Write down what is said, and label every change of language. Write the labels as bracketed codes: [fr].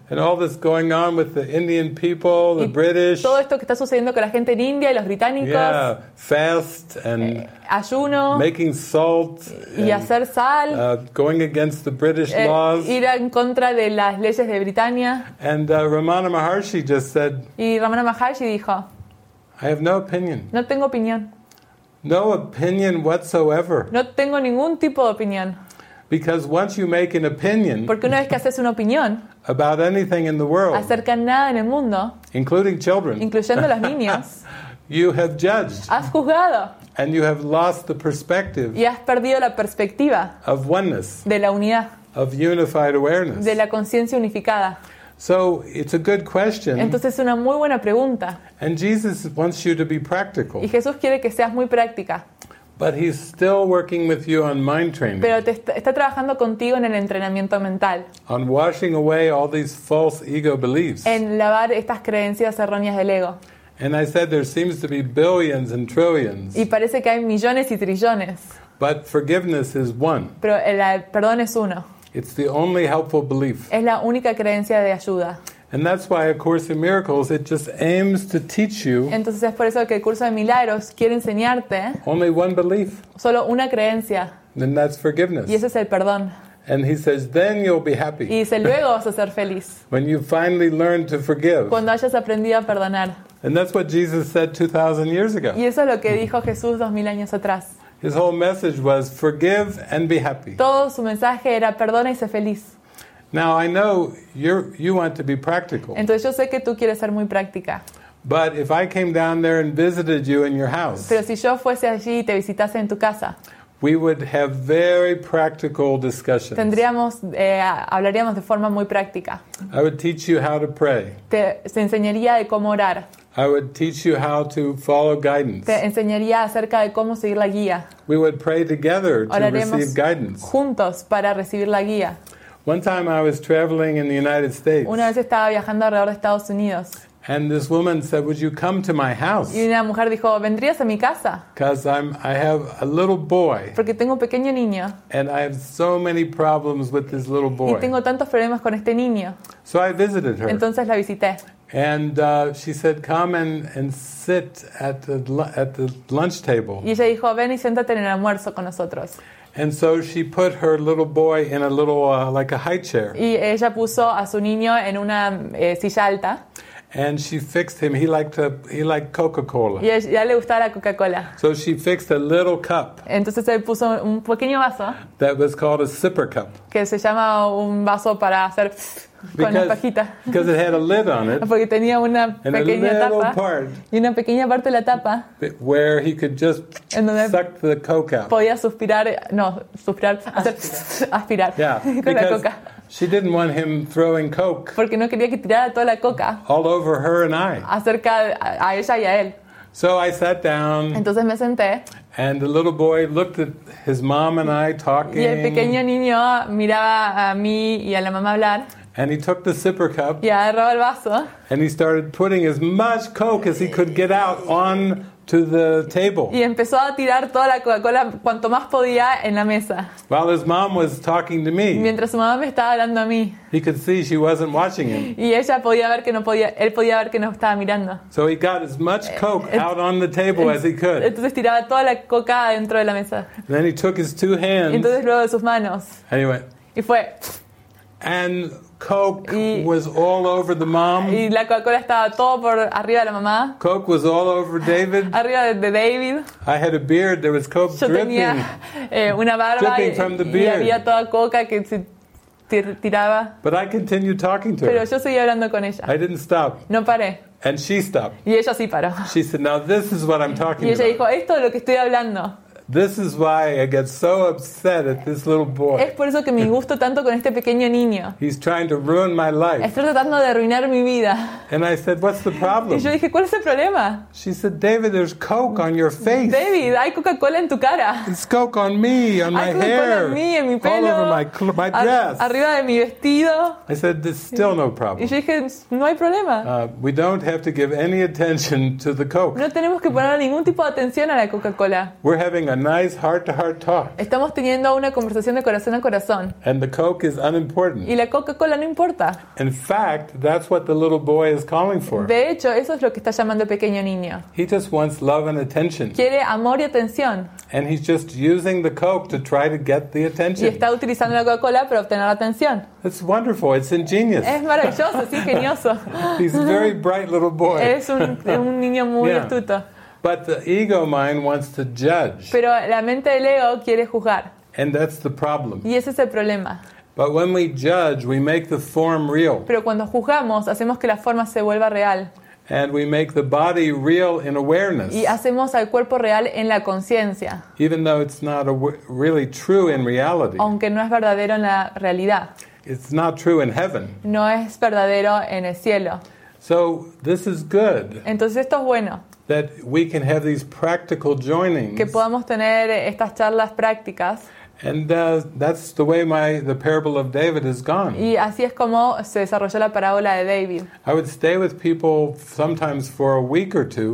[en] And all this going on with the Indian people, the British. [es] Todo esto que está sucediendo con la gente en India y los británicos. [en] Yeah, fast and [es] ayuno, [en] making salt [es] y hacer sal. [en] Going against the British laws. [es] Ir en contra de las leyes de Britania. [en] And Ramana Maharshi just said. [es] Y Ramana Maharshi dijo. [en] I have no opinion. [es] No tengo opinión. [en] No opinion whatsoever. [es] No tengo ningún tipo de opinión. [en] Because once you make an opinion, [es] porque una vez que haces una opinión, [en] about anything in the world, [es] acerca de nada en el mundo, [en] including children, [es] incluyendo los niños, [en] you have judged, [es] has juzgado, [en] and you have lost the perspective, [es] y has perdido la perspectiva, [en] of oneness, [es] de la unidad, [en] of unified awareness, [es] de la conciencia unificada. [en] So it's a good question. [es] Entonces es una muy buena pregunta. [en] And Jesus wants you to be practical. [es] Y Jesús quiere que seas muy práctica. [en] But he's still working with you on mind training. [es] Pero está trabajando contigo en el entrenamiento mental. [en] On washing away all these false ego beliefs. [es] En lavar estas creencias erróneas del ego. [en] And I said there seems to be billions and trillions. [es] Y parece que hay millones y trillones. [en] But forgiveness is one. [es] Pero el perdón es uno. [en] It's the only helpful belief. [es] Es la única creencia de ayuda. [en] And that's why A Course in Miracles, it just aims to teach you. [es] Entonces es por eso que el curso de milagros quiere enseñarte. [en] Only one belief. [es] Solo una creencia. [en] And that's forgiveness. [es] Y ese es el perdón. [en] And he says, then you'll be happy. [es] Y dice, luego vas a ser feliz. [en] When you finally learn to forgive. [es] Cuando hayas aprendido a perdonar. [en] And that's what Jesus said 2,000 years ago. [es] Y eso es lo que dijo Jesús 2,000 años atrás. [en] His whole message was, forgive and be happy. [es] Todo su mensaje era, perdona y sé feliz. [en] Now I know you want to be practical. [es] Entonces yo sé que tú quieres ser muy práctica. [en] But if I came down there and visited you in your house. [es] Pero si yo fuese allí y te visitase en tu casa. [en] We would have very practical discussions. [es] Tendríamos hablaríamos de forma muy práctica. [en] I would teach you how to pray. [es] Te enseñaría de cómo orar. [en] I would teach you how to follow guidance. [es] Te enseñaría acerca de cómo seguir la guía. [en] We would pray together [es] oraríamos [en] to receive guidance. [es] Juntos para recibir la guía. [en] One time I was traveling in the United States. [es] Una vez estaba viajando alrededor de Estados Unidos. [en] And this woman said, "Would you come to my house?" [es] Y una mujer dijo, "¿Vendrías a mi casa?" [en] Because I have a little boy. [es] Porque tengo un pequeño niño. [en] And I have so many problems with this little boy. [es] Y tengo tantos problemas con este niño. [en] So I visited her. [es] Entonces la visité. [en] And she said, "Come and sit at the lunch table." [es] Y ella dijo, "Ven y siéntate en el almuerzo con nosotros." [en] And so she put her little boy in a little like a high chair. [es] Y ella puso a su niño en una silla alta. [en] And she fixed him. He liked Coca-Cola. [es] Y a él le gustaba la Coca-Cola. [en] So she fixed a little cup. [es] Entonces él puso un pequeño vaso. [en] That was called a sipper cup. [es] Que se llama un vaso para hacer con la pajita. [en] Because it had a lid on it. [es] Porque tenía una pequeña tapa. [en] And a little part. [es] Y una pequeña parte de la tapa. [en] Where he could just suck the Coke out. [es] Podía aspirar. Yeah, con la Coca. [en] She didn't want him throwing coke. [es] Porque no quería que tirara toda la coca. [en] All over her and I. [es] Acerca a ella y a él. [en] So I sat down. [es] Entonces me senté. [en] And the little boy looked at his mom and I talking. [es] Y el pequeño niño miraba a mí y a la mamá hablar. [en] And he took the sipper cup. [es] Y agarró el vaso. [en] And he started putting as much coke as he could get out on to the table. [es] Y empezó a tirar toda la Coca-Cola cuanto más podía en la mesa. [en] While his mom was talking to me. [es] Mientras su mamá me estaba hablando a mí. [en] He could see she wasn't watching him. [es] Y ella podía ver que no podía, él podía ver que no estaba mirando. [en] So he got as much coke out on the table as he could. [es] Entonces tiraba toda la coca dentro de la mesa. [en] Then he took his two hands. [es] Y entonces luego de sus manos. [en] Anyway. [es] Y fue. [en] And coke was all over the mom. [es] Y la Coca-Cola estaba todo por arriba de la mamá. [en] Coke was all over David. [es] Arriba de David. [en] I had a beard. There was coke dripping. [es] Yo tenía una barba [en] dripping from the beard. [es] Y había toda coca que se tiraba. [en] But I continued talking to [es] Pero [en] her. [es] Pero yo seguí hablando con ella. [en] I didn't stop. [es] No paré. [en] And she stopped. [es] Y ella sí paró. [en] She said, "Now this is what I'm talking about." [es] Y ella [en] about. [es] Dijo, "Esto es lo que estoy hablando." [en] This is why I get so upset at this little boy. [es] Es por eso que me gusto tanto con este pequeño niño. [en] He's trying to ruin my life. [es] Está tratando de arruinar mi vida. [en] And I said, "What's the problem?" [es] Y yo dije, ¿cuál es el problema? [en] She said, "David, there's coke on your face." [es] David, hay Coca-Cola en tu cara. [en] It's coke on me, on my hair. [es] Hay Coca-Cola en mí, en mi pelo. [en] All over my dress. [es] Arriba de mi vestido. [en] I said, "There's still no problem." [es] Y yo dije, no hay problema. [en] We don't have to give any attention to the coke. [es] No tenemos que poner ningún tipo de atención a la Coca-Cola. [en] We're having a nice heart-to-heart talk. [es] Estamos teniendo una conversación de corazón a corazón. [en] And the coke is unimportant. [es] Y la Coca-Cola no importa. [en] In fact, that's what the little boy is calling for. [es] De hecho, eso es lo que está llamando el pequeño niño. [en] He just wants love and attention. [es] Quiere amor y atención. [en] And he's just using the coke to try to get the attention. [es] Y está utilizando la Coca-Cola para obtener la atención. [en] It's wonderful. It's ingenious. [es] Es maravilloso. Es ingenioso. [en] He's a very bright little boy. [es] Es un niño muy yeah. astuto. [en] But the ego mind wants to judge. [es] Pero la mente del ego quiere juzgar. [en] And that's the problem. [es] Y ese es el problema. [en] But when we judge, we make the form real. [es] Pero cuando juzgamos, hacemos que la forma se vuelva real. [en] And we make the body real in awareness. [es] Y hacemos al cuerpo real en la conciencia. [en] Even though it's not really true in reality. [es] Aunque no es verdadero en la realidad. [en] It's not true in heaven. [es] No es verdadero en el cielo. [en] So this is good. [es] Entonces esto es bueno. [en] That we can have these practical joinings. [es] Que podamos tener estas charlas prácticas. [en] And that's the way the parable of David is gone. [es] Y así es como se desarrolló la parábola de David. [en] I would stay with people sometimes for a week or two.